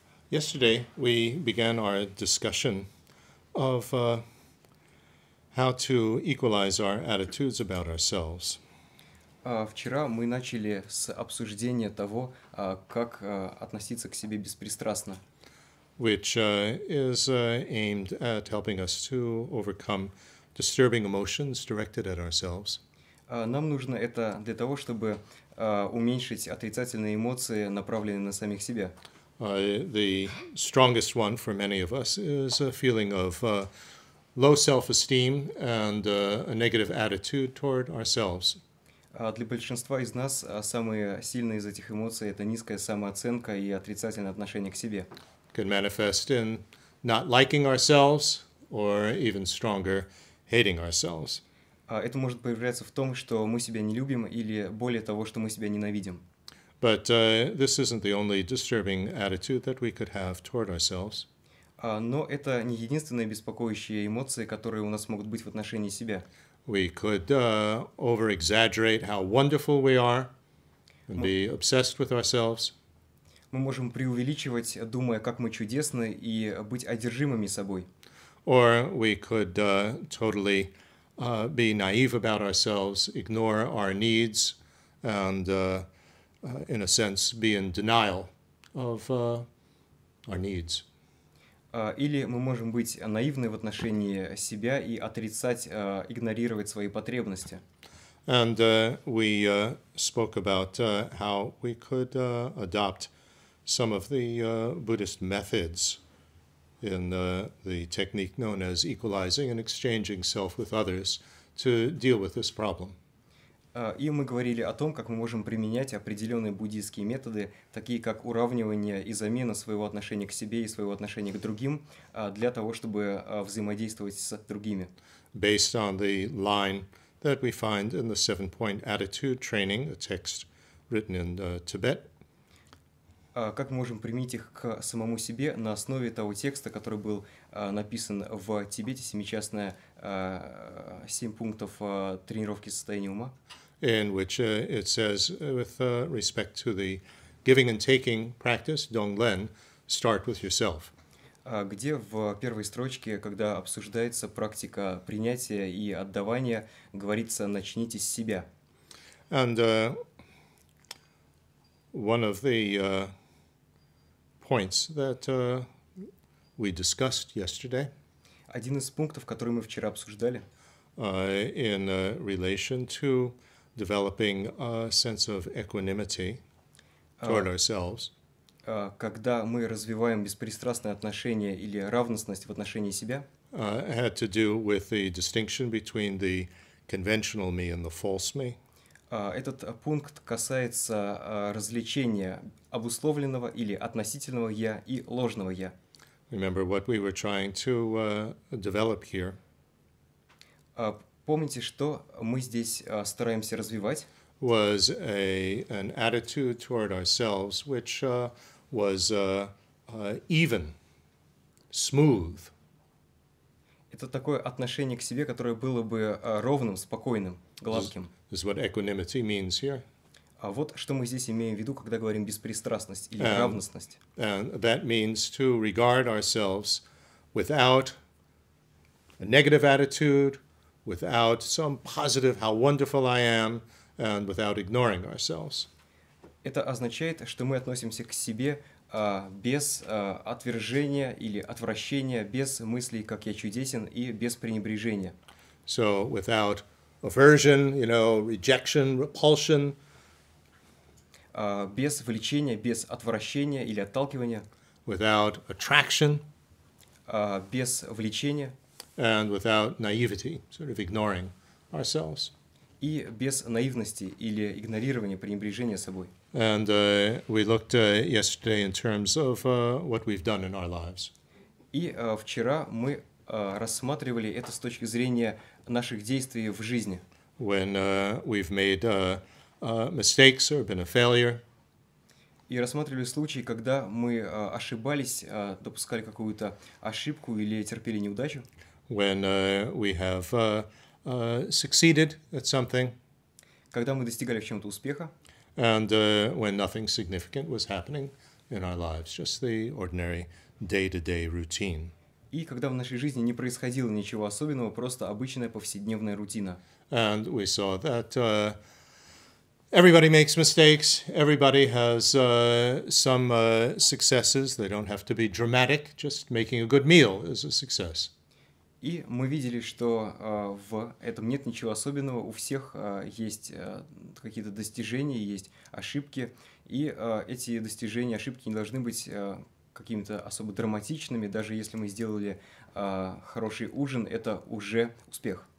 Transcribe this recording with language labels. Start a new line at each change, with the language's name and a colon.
English: Yesterday, we began our discussion of how to equalize our attitudes about ourselves.
Russian: Вчера мы начали с обсуждения того, как относиться к себе беспристрастно.
English: Which is aimed at helping us to overcome disturbing emotions directed at ourselves.
Russian: Нам нужно это для того, чтобы уменьшить отрицательные эмоции, направленные на самих себя.
English: The strongest one for many of us is a feeling of low self-esteem and a negative attitude toward ourselves.
Russian: Для большинства из нас самые сильные из этих эмоций — это низкая самооценка и отрицательное отношение к себе.
English: Can manifest in not liking ourselves, or even stronger, hating ourselves.
Russian: Это может проявляться в том, что мы себя не любим, или более того, что мы себя ненавидим.
English: But this isn't the only disturbing attitude that we could have toward ourselves.
Russian: Но это не единственные беспокоящие эмоции, которые у нас могут быть в отношении себя.
English: We could over-exaggerate how wonderful we are and be obsessed with ourselves.
Russian: Мы можем преувеличивать, думая, как мы чудесны, и быть одержимыми собой.
English: Or we could totally be naive about ourselves, ignore our needs, and in a sense be in denial of our needs.
Russian: Или мы можем быть наивны в отношении себя и отрицать, игнорировать свои потребности.
English: And we spoke about how we could adopt some of the Buddhist methods in the technique known as equalizing and exchanging self with others to deal with this problem.
Russian: И мы говорили о том, как мы можем применять определенные буддийские методы, такие как уравнивание и замена своего отношения к себе и своего отношения к другим, для того, чтобы взаимодействовать с другими.
English: Based on the line that we find in the seven-point attitude training, a text written in Tibet.
Russian: Как мы можем применить их к самому себе на основе того текста, который был написан в Тибете, семичастная, семь пунктов тренировки состояния ума.
English: In which it says, with respect to the giving and taking practice, Donglen, start with yourself.
Russian: Где в первой строчке, когда обсуждается практика принятия и отдавания, говорится, начните с себя.
English: And one of the points that we discussed yesterday.
Russian: Один из пунктов, который мы вчера обсуждали.
English: In relation to developing a sense of equanimity toward ourselves.
Russian: Когда мы развиваем беспристрастное отношение или равностность в отношении себя.
English: Had to do with the distinction between the conventional me and the false me.
Russian: Этот пункт касается развлечения обусловленного или относительного «я» и ложного «я».
English: Remember what we were trying to develop here.
Russian: Помните, что мы здесь стараемся развивать?
English: Was an attitude toward ourselves which was even, smooth.
Russian: Это такое отношение к себе, которое было бы ровным, спокойным, гладким.
English: This is what equanimity means here.
Russian: Вот что мы здесь имеем в виду, когда говорим беспристрастность или равностность.
English: And that means to regard ourselves without a negative attitude, without some positive how wonderful I am, and without ignoring ourselves.
Russian: Это означает, что мы относимся к себе без отвержения или отвращения, без мыслей, как я чудесен, и без пренебрежения.
English: So without aversion, you know, rejection, repulsion.
Russian: Без влечения, без отвращения или отталкивания.
English: Without attraction.
Russian: Без влечения.
English: And without naivety, sort of ignoring ourselves.
Russian: И без наивности или игнорирования, пренебрежения собой.
English: And we looked yesterday in terms of what we've done in our lives.
Russian: И вчера мы рассматривали это с точки зрения наших действий в жизни.
English: When we've made mistakes or been a failure.
Russian: И рассматривали случаи, когда мы ошибались, допускали какую-то ошибку или терпели неудачу.
English: When we have succeeded at something.
Russian: Когда мы достигали в чем-то успеха.
English: And when nothing significant was happening in our lives, just the ordinary day-to-day routine.
Russian: И когда в нашей жизни не происходило ничего особенного, просто обычная повседневная рутина.
English: And we saw that everybody makes mistakes, everybody has some successes, they don't have to be dramatic, just making a good meal is a success.
Russian: И мы видели, что в этом нет ничего особенного, у всех есть какие-то достижения, есть ошибки, и эти достижения, ошибки не должны быть какими-то особо драматичными, даже если мы сделали хороший ужин, это уже успех.